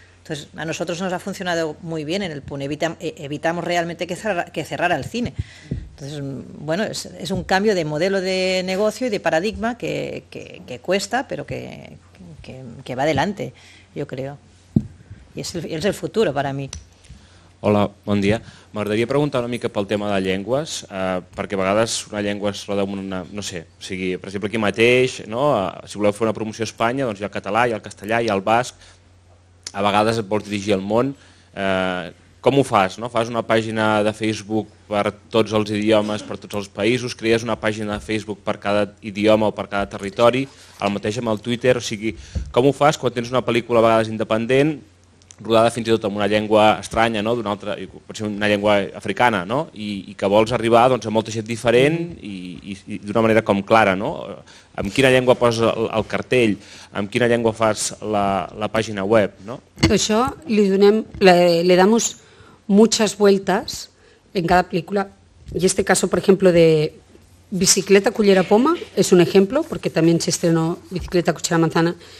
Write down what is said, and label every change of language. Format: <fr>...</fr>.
<es>Entonces, a nosotros nos ha funcionado muy bien en El Punt. Evitamos realmente que cerrara el cine. Entonces, bueno, es un cambio de modelo de negocio y de paradigma que cuesta, pero que va adelante, yo creo.</es> <ca>I és el futur per a mi. Hola, bon dia. M'agradaria preguntar una mica pel tema de llengües, perquè a vegades una llengua es roda amb una, no sé, o sigui, per exemple aquí mateix, no, si voleu fer una promoció a Espanya, doncs hi ha el català, hi ha el castellà, hi ha el basc, a vegades et vols dirigir al món, com ho fas? No? Fas una pàgina de Facebook per tots els idiomes, per tots els països, crees una pàgina de Facebook per cada idioma o per cada territori, el mateix amb el Twitter, o sigui, com ho fas quan tens una pel·lícula a vegades independent, rodada fins i tot amb una llengua estranya, no? D'una altra, pot ser una llengua africana, no? I que vols arribar, doncs, a molta gent diferent i d'una manera com clara, no? Amb quina llengua poses el cartell, amb quina llengua fas la pàgina web, no?</ca> <es>Això le damos muchas vueltas en cada película. Y este caso, por ejemplo, de Bicicleta, Cullera, Poma, es un ejemplo, porque también se estrenó Bicicleta, Cuchara, Manzana.</es>